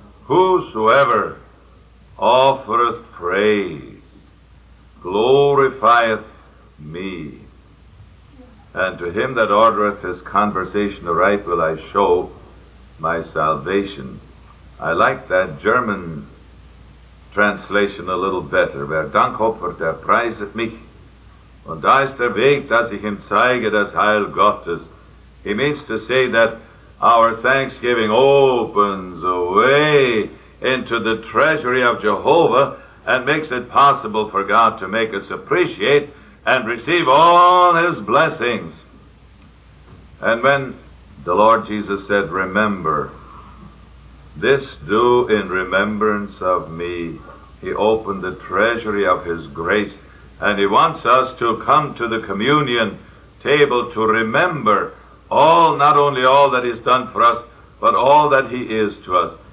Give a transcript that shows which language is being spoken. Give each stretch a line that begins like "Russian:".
English: Whosoever offereth praise glorifieth me. And to him that ordereth his conversation aright will I show my salvation. I like that German translation a little better.
German: Wer Dank opfert, der preiset mich. Und da ist der Weg, dass ich ihm zeige das Heil Gottes.
English: He means to say that our thanksgiving opens a way into the treasury of Jehovah and makes it possible for God to make us appreciate and receive all his blessings. And when the Lord Jesus said, remember, this do in remembrance of me, he opened the treasury of his grace, and he wants us to come to the communion table to remember all, not only all that he's done for us, but all that he is to us.